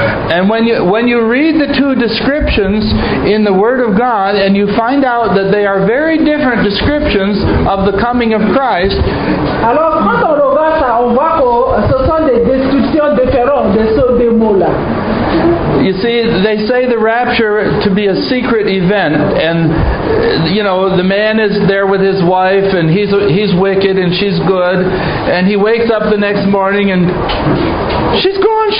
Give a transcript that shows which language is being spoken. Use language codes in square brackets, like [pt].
[en] And when you read the two descriptions in the Word of God and you find out that they are very different descriptions of the coming of Christ. [fr] Alors quand on regarde ça, on voit que ce sont des descriptions différentes de ce deux mots-là. [en] You see, they say the rapture to be a secret event, and you know, the man is there with his wife, and he's wicked, and she's good, and he wakes up the next morning, and she's gone.